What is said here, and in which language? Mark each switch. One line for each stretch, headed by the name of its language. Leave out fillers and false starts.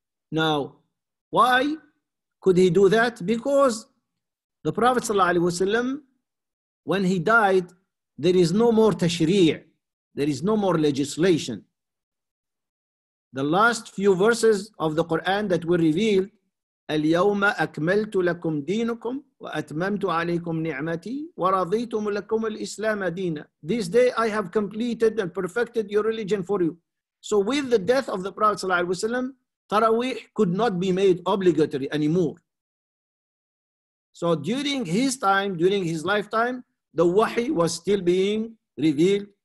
English: Now, why could he do that? Because the Prophet sallallahu alaihi wasallam, when he died, there is no more tashri', there is no more legislation. The last few verses of the Quran that were revealed
Arabic: اليوم أكملت لكم دينكم وأتممت عليكم نعمتي ورضيت لكم الإسلام دينا.
English: This day I have completed and perfected your religion for you. So with the death of the Prophet
Arabic: صلى الله عليه وسلم,
English: Taraweeh could not be made obligatory anymore. So during his time, during his lifetime, the wahi was still being revealed.